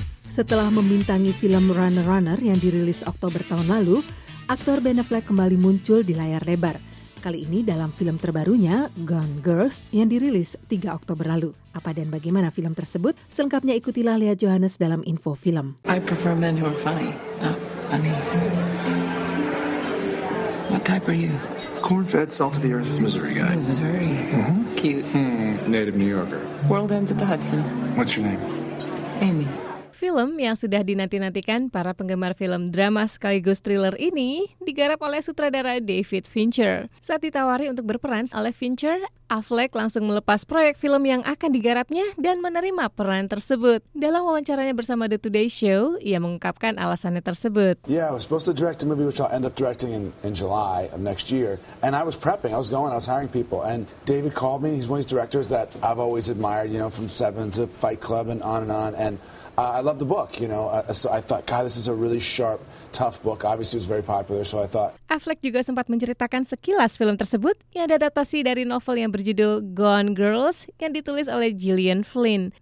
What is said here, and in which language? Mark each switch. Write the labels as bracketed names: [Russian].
[Indonesian] Setelah membintangi film Runner Runner yang dirilis Oktober tahun lalu, aktor Ben Affleck kembali muncul di layar lebar. Kali ini dalam film terbarunya, Gone Girls, yang dirilis 3 Oktober lalu. Apa dan bagaimana film tersebut? Selengkapnya ikutilah Lia Johannes dalam info film. [English] I prefer men who are funny, not funny. What type are you? Corn-fed, salt-of-the-earth, Missouri guy. Missouri. Mm-hmm. Cute. Native New Yorker. World ends at the Hudson. What's your name? Amy. [Indonesian] Film yang sudah dinanti-nantikan para penggemar film drama sekaligus thriller ini digarap oleh sutradara David Fincher. Saat ditawari untuk berperan oleh Fincher, Affleck langsung melepas proyek film yang akan digarapnya dan menerima peran tersebut. Dalam wawancaranya bersama The Today Show, ia mengungkapkan alasannya tersebut. [English] Yeah, I was supposed to direct a movie which I'll end up directing in July of next year. And I was prepping, I was going, I was hiring people. And David called me, he's one of these directors that I've always admired, you know, from Seven to Fight Club and on and on. And I love the book, you know. So I thought, God, this is a really sharp, tough book. Obviously, it was very popular, so I thought. [Indonesian] Affleck juga sempat menceritakan sekilas film tersebut yang diadaptasi dari novel yang berjudul Gone Girls yang ditulis oleh Gillian Flynn.